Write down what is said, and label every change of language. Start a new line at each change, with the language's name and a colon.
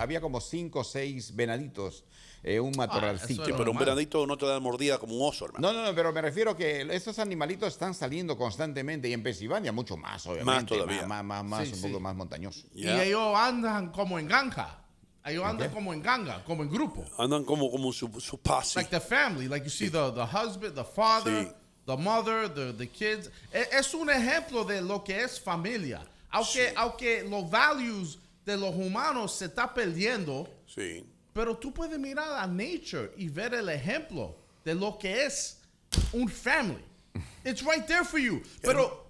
Spanish: había como 5 o 6 venaditos. Es un matorralcito. Sí, pero un venadito no te da mordida como un oso, hermano. No, pero me refiero que estos animalitos están saliendo constantemente y en Pennsylvania mucho más, obviamente. Más todavía. Más, poco más montañoso. Yeah. Y ellos andan como en ganga. Ellos andan como en ganga, como en grupo. Andan como su posse.
English: Like the family, like you see the husband, the father, the mother, the kids.
Spanish: Es un ejemplo de lo que es familia. Aunque los values de los humanos se está perdiendo. Sí. Pero tú puedes mirar a nature y ver el ejemplo de lo que es un family.
English: It's right there for you. Pero